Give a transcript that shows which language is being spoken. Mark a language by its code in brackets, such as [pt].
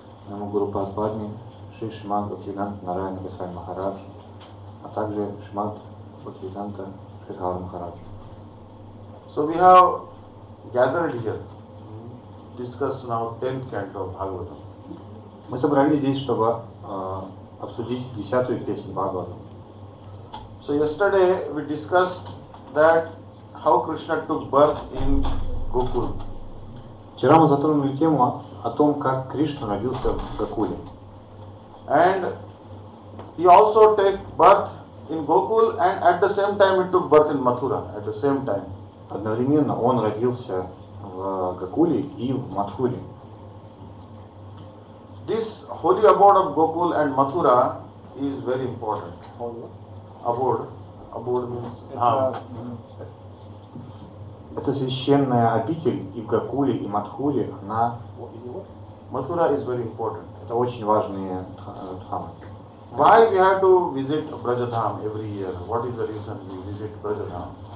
[ru] Моему гуру Падме, Шри Шримад Бхактивиданта Нараяна Госвами Махарадж, а также Шримад Бхактивиданта Шридхар Махарадж. [en] So we have gathered here to discuss now 10th canto of Bhagavata. [ru] Мы собрались здесь, чтобы обсудить 10-ю песню Бхагавата. [en] So yesterday we discussed that how Krishna took birth in Gokul. [ru] Вчера мы затронули тему о том, как Кришна родился в Гокуле. [en] And he also took birth in Gokul and at the same time he took birth in Mathura at the same time. [ru] Одновременно он родился в Гокуле и в Мадхуре. [en] This holy abode of Gokul and Mathura is very important. Abode means [ru] Это священная обитель и в Гокуле, и Мадхуре, она... [en] Матхура is very important. [ru] Это очень важные дхамы. [en] Why we have to visit Брадхадхам every year? What is the reason we visit Брадхадхам?